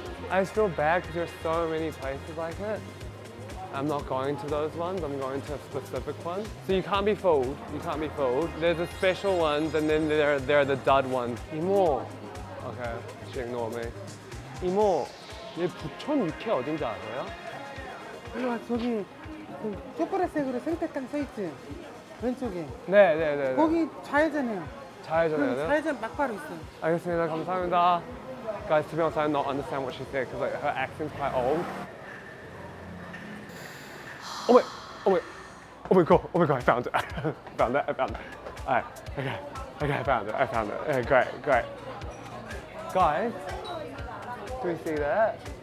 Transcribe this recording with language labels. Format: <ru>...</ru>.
<en>I feel bad because there are so many places like it. I'm not going to those ones, I'm going to a specific one. So you can't be fooled, you can't be fooled. There's a special ones and then there are the dud ones. 이모. Okay, she ignored me.</en> <ko>이모, 얘 부천 육회 어딘지 알아요? 이리 와, 저기 초콜릿색으로 생태탕 써있지? 왼쪽에. 네. 거기 좌회전이에요. 좌회전이에요? 응, 좌회전 막바로 있어요. 알겠습니다, 감사합니다.</ko> <en>Guys, to be honest, I don't understand what she said because like, her accent's quite old. Oh my god, I found it. I found it. Alright, okay, I found it. Yeah, great. Guys, do we see that?</en>